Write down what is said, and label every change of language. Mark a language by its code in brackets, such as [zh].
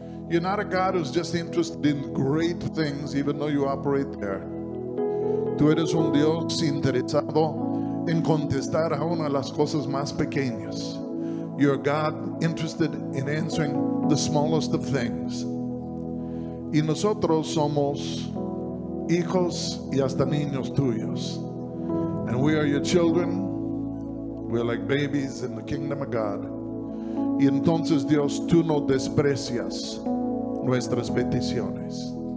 [en] You're not a God who's just interested in great things, even though you operate there. [es] Tú eres un Dios interesado en contestar aún a las cosas más pequeñas. [en] You're a God interested in answering the smallest of things. [es] Y nosotros somos hijos y hasta niños tuyos. [en] And we are your children. We're like babies in the kingdom of God. [es] Y entonces, Dios, tú no desprecias nuestras peticiones.